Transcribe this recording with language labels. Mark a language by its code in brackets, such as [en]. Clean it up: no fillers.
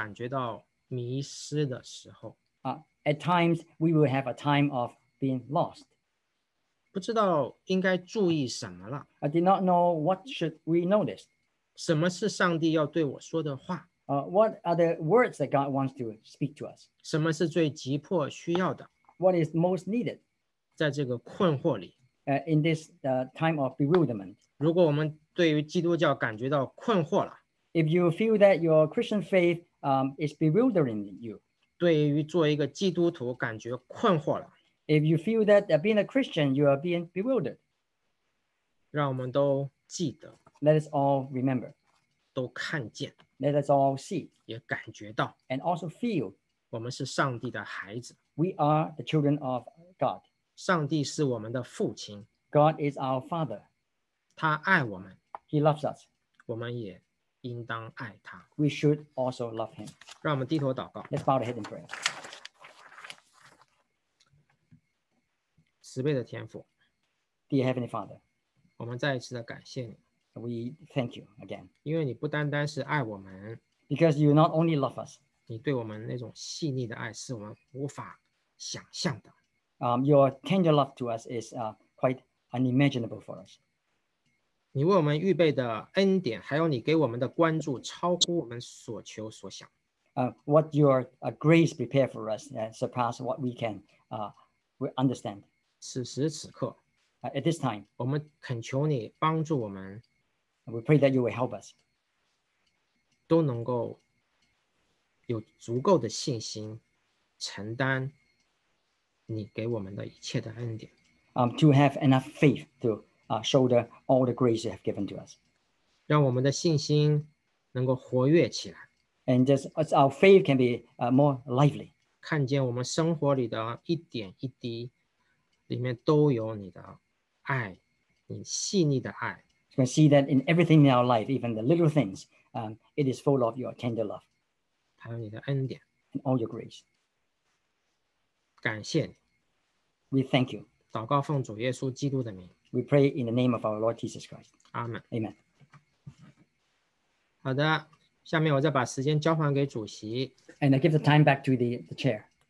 [zh] 我们总是会有感觉到迷失的时候, [en] at times we will have a time of being lost, [zh] 不知道应该注意什么了。 [en] I did not know what should we notice. [zh] 什么是上帝要对我说的话？ [en] What are the words that God wants to speak to us? [zh] 什么是最急迫需要的？ [en] What is most needed? [zh] 在这个困惑里。 [en] In this time of bewilderment. [zh] 如果我们对于基督教感觉到困惑了。 [en] If you feel that your Christian faith is bewildering you. [zh] 对于做一个基督徒感觉困惑了。 [en] If you feel that being a Christian, you are being bewildered. [zh] 让我们都记得。 [en] Let us all remember. [zh] 都看见。 [en] Let us all see. [zh] 也感觉到。 [en] And also feel. [zh] 我们是上帝的孩子。 [en] We are the children of God. [zh] 上帝是我们的父亲。 [en] God is our father. [zh] 他爱我们。 [en] He loves us. [zh] 我们也应当爱他。 [en] We should also love him. [zh] 让我们低头祷告。 [en] Let's bow our head and pray. [zh] 慈悲的天父 [en] Dear Heavenly Father, [zh] 我们再一次的感谢你 [en] We thank you again. [zh] 因为你不单单是爱我们 [en] Because you not only love us. [zh] 你对我们那种细腻的爱是我们无法想象的 [en] Your tender love to us is quite unimaginable for us. [zh] 你为我们预备的恩典还有你给我们的关注超乎我们所求所想 [en] What your grace prepare for us surpass what we can understand. [zh] 此时此刻 [en] At this time, [zh] 我们恳求你帮助我们 [en] We pray that you will help us [zh] 都能够有足够的信心承担你给我们的一切的恩典 [en] To have enough faith to shoulder all the grace you have given to us [zh] 让我们的信心能够活跃起来 [en] And just as our faith can be more lively [zh] 看见我们生活里的一点一滴里面都有你的爱，你细腻的爱。 [en] You can see that in everything in our life, even the little things, it is full of your tender love. [zh] 还有你的恩典。 [en] And all your grace. [zh] 感谢你。 [en] We thank you. [zh] 祷告奉主耶稣基督的名。 [en] We pray in the name of our Lord Jesus Christ. Amen. Amen. [zh] 好的，下面我再把时间交还给主席。 [en] And I give the time back to the chair.